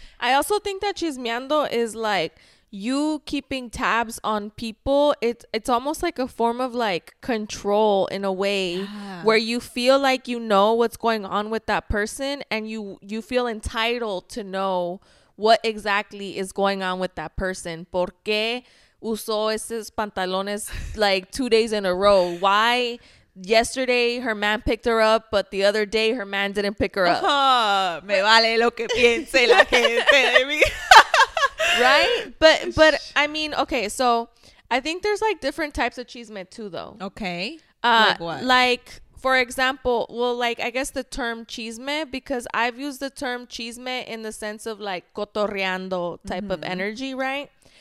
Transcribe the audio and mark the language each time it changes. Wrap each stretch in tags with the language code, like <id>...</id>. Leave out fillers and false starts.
<en>I also think that chismeando is like you keeping tabs on people. It's almost like a form of like control in a way. Yeah. Where you feel like you know what's going on with that person, and you feel entitled to know what exactly is going on with that person.</en> <es>¿Por qué usó esos pantalones</es> <en>like 2 days in a row? Why yesterday her man picked her up, but the other day her man didn't pick her up?</en> <es>Me vale lo que piense la gente de mí.</es> <en>Right? But I mean, okay, so I think there's like different types of chisme too, though. Okay. Like what? Like, for example, well, like, I guess the term chisme, because I've used the term chisme in the sense of like cotorreando type mm-hmm. of energy, right?</en>